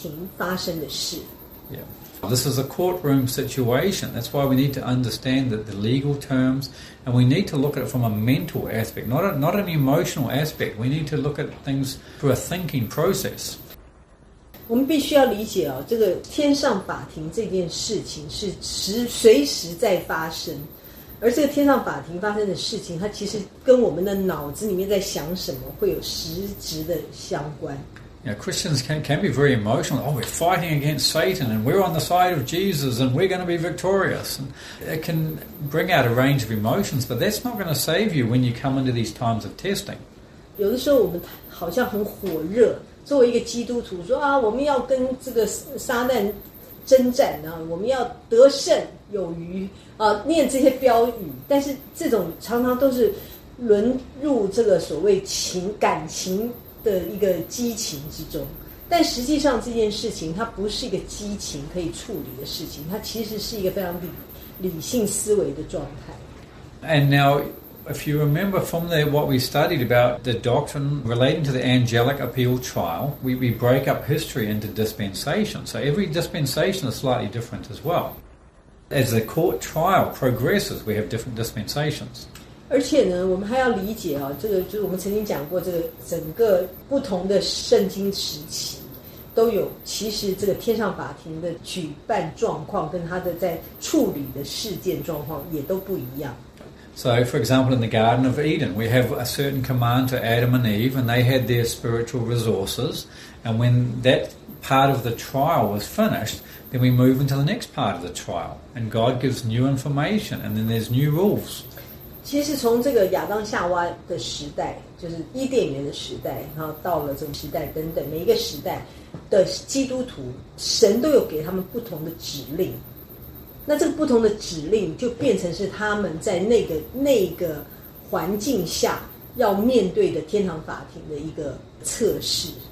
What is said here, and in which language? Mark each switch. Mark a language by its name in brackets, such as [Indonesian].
[Chinese] 就是很多牧师他很可能会讲说啊，我们有点像喊那个宣言一样，说我们要跟这个撒旦对抗，我们要跟魔鬼对抗，哈，我们不要让他侵占我们，哈。但是他们其实并没有真正去谈到，在属灵上面会有的天上法庭发生的事。Yeah. [English] This is a courtroom situation. That's why we need to understand that the legal terms. And we need to look at it from a mental aspect, not an emotional aspect. We need to look at things through a thinking process. [Chinese] 我们必须要理解，这个天上法庭这件事情是随时在发生，而这个天上法庭发生的事情，它其实跟我们的脑子里面在想什么会有实质的相关。Yeah, [English] Christians can be very emotional. Oh, we're fighting against Satan and we're on the side of Jesus and we're going to be victorious. And it can bring out a range of emotions, but that's not going to save you when you come into these times of testing. [Chinese] 有的时候我们好像很火热，作为一个基督徒说啊，我们要跟这个撒旦征战呢，我们要得胜有余啊，念这些标语，但是这种常常都是沦入这个所谓情感情的一个激情之中，但实际上这件事情它不是一个激情可以处理的事情，它其实是一个非常理性思维的状态。 [English] And now if you remember from what we studied about the doctrine relating to the angelic appeal trial, we break up history into dispensations. So every dispensation is slightly different as well. As the court trial progresses, we have different dispensations. [Chinese] 而且呢，我们还要理解啊，这个就是我们曾经讲过，这个整个不同的圣经时期都有，其实这个天上法庭的举办状况跟他的在处理的事件状况也都不一样。 [English] So, for example, in the Garden of Eden, we have a certain command to Adam and Eve, and they had their spiritual resources. And when that part of the trial was finished, then we move into the next part of the trial. And God gives new information, and then there's new rules. [Chinese] 其实从这个亚当夏娃的时代，就是伊甸园的时代，然后到了这个时代等等，每一个时代的基督徒，神都有给他们不同的指令。那这个不同的指令就变成是他们在那个环境下要面对的天堂法庭的一个测试。